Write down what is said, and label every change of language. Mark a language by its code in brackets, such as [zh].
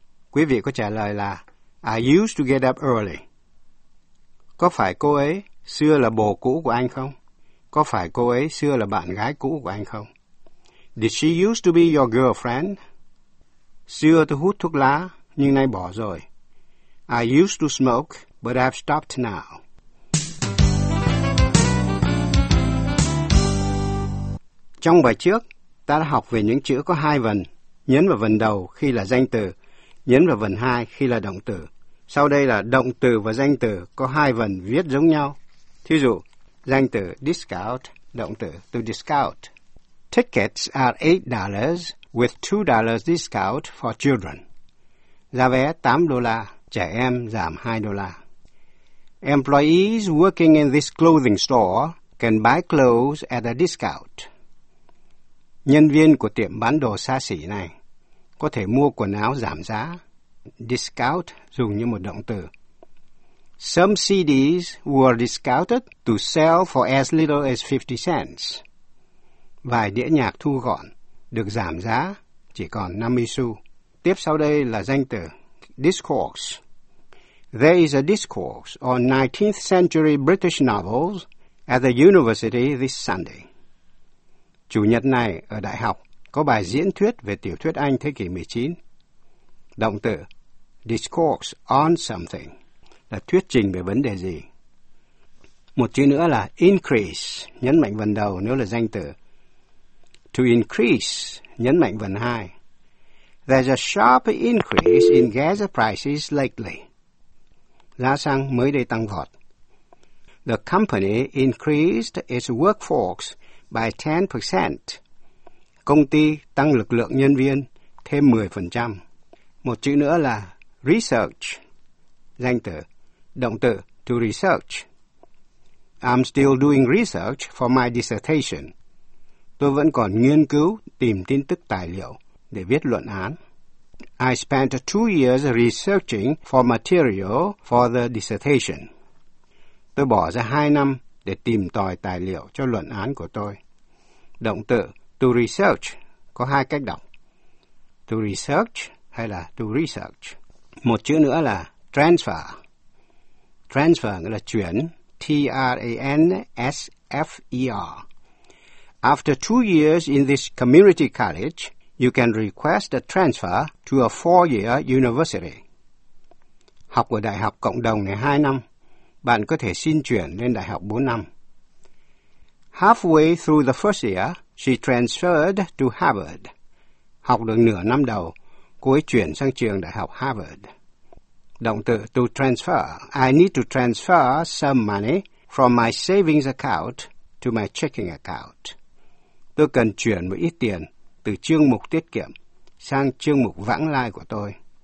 [vi] Quý vị có trả lời là [en] I used to get up early. [vi] Có phải cô ấy xưa là bồ cũ của anh không? Có phải cô ấy xưa là bạn gái cũ của anh không? [en] Did she used to be your girlfriend? [vi] Xưa tôi hút thuốc lá, nhưng nay bỏ rồi. [en] I used to smoke, but I've stopped now. [vi] Trong bài trước, ta đã học về những chữ có hai vần, nhấn vào vần đầu khi là danh từ, nhấn vào vần hai khi là động từ. Sau đây là động từ và danh từ có hai vần viết giống nhau. Thí dụ, danh từ discount, động từ to discount. [en] Tickets are $8 with $2 discount for children. [vi] Giá vé $8, trẻ em giảm $2. [en] Employees working in this clothing store can buy clothes at a discount. [vi] Nhân viên của tiệm bán đồ xa xỉ này có thể mua quần áo giảm giá. Discount dùng như một động từ. [en] Some CDs were discounted to sell for as little as 50 cents. [vi] Vài đĩa nhạc thu gọn được giảm giá chỉ còn 50 xu. Tiếp sau đây là danh từ discourse. [en] There is a discourse on 19th century British novels at the university this Sunday. [vi] Chủ nhật này ở đại học có bài diễn thuyết về tiểu thuyết Anh thế kỷ 19. Động từ discourse on something là thuyết trình về vấn đề gì. Một chữ nữa là increase, nhấn mạnh vần đầu nếu là danh từ. [en] To increase, [vi] nhấn mạnh vần hai. [en] There's a sharp increase in gas prices lately. [vi] Giá xăng mới đây tăng vọt. [en] The company increased its workforce by 10%. [vi] Công ty tăng lực lượng nhân viên thêm 10%. Một chữ nữa là research, danh từ, động từ to research. [en] I'm still doing research for my dissertation. [vi] Tôi vẫn còn nghiên cứu tìm tin tức tài liệu để viết luận án. [en] I spent 2 years researching for material for the dissertation. [vi] Tôi bỏ ra 2 năm để tìm tòi tài liệu cho luận án của tôi. Động từ to research có 2 cách đọc. To research hay là to research. Một chữ nữa là transfer. Transfer nghĩa là chuyển. [en] TRANSFER. After 2 years in this community college, you can request a transfer to a 4-year university. [vi] Học ở đại học cộng đồng này 2 năm, bạn có thể xin chuyển lên đại học 4 năm. [en] Halfway through the first year, she transferred to Harvard. [vi] Học được nửa năm đầu, cô ấy chuyển sang trường đại học Harvard. Động từ [en] to transfer. I need to transfer some money from my savings account to my checking account. [vi] Tôi cần chuyển một ít tiền từ chương mục tiết kiệm sang chương mục vãng lai của tôi.